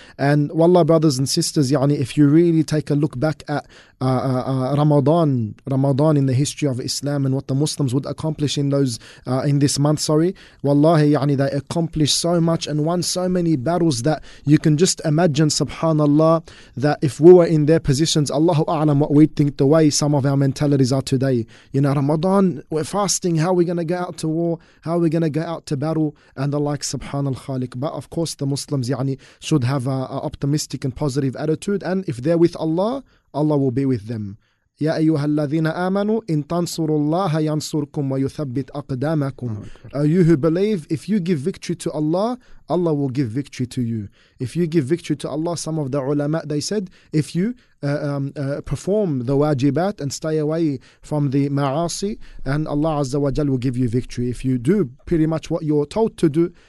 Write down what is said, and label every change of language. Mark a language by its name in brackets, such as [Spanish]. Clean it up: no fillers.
[English] And wallah, brothers and sisters, yani, if you really take a look back at Ramadan in the history of Islam and what the Muslims would accomplish in those in this month, sorry, wallahi, yani, they accomplished so much and won so many battles that you can just imagine, subhanallah, that if we were in their positions, Allahu a'lam what we'd think, the way some of our mentalities are today. You know, Ramadan, we're fasting, how are we going to go out to war? How are we going to go out to battle? And the like, subhanal khaliq. But of course, the Muslims, yani, should have an optimistic and positive attitude. And if they're with Allah, Allah will be with them. [Arabic] يا أيها الذين آمنوا إن تنصروا الله ينصركم ويثبت أقدامكم. [English] You who believe, if you give victory to Allah, Allah will give victory to you. If you give victory to Allah, some of the ulama, they said, if you perform the wajibat and stay away from the ma'asi, and Allah Azza wa Jal will give you victory. If you do pretty much what you're told to do